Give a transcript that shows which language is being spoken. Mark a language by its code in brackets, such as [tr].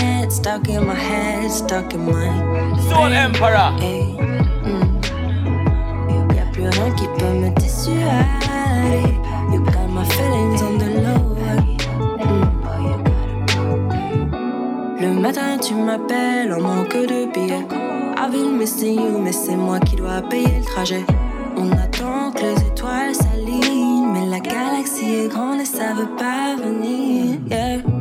[en] Stuck in my head, stuck in my soul emperor. [fr] Hey, y a plus rien qui peut me dissuader. [en] You got my feelings on the low. [fr] Le matin tu m'appelles en manque de billets. [en] I've been missing you, [fr] mais c'est moi qui dois payer le trajet. On attend que les étoiles s'alignent, mais la galaxie est grande et ça veut pas venir. Yeah.